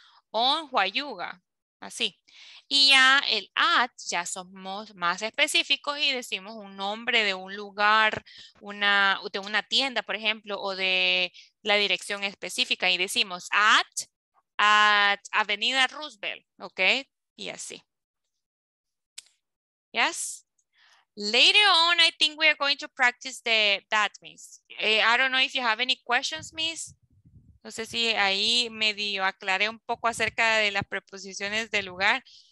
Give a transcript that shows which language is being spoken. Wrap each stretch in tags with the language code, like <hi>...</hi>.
<es>On Huayuga, así. Y ya el at, ya somos más específicos y decimos un nombre de un lugar, de una tienda, por ejemplo, o de la dirección específica, y decimos at, a Avenida Roosevelt, ¿ok? Y así.</es> <en>Yes. Later on, I think we are going to practice that, Miss. I don't know if you have any questions, Miss.</en> <es>No sé si ahí medio aclaré un poco acerca de las preposiciones de lugar.</es>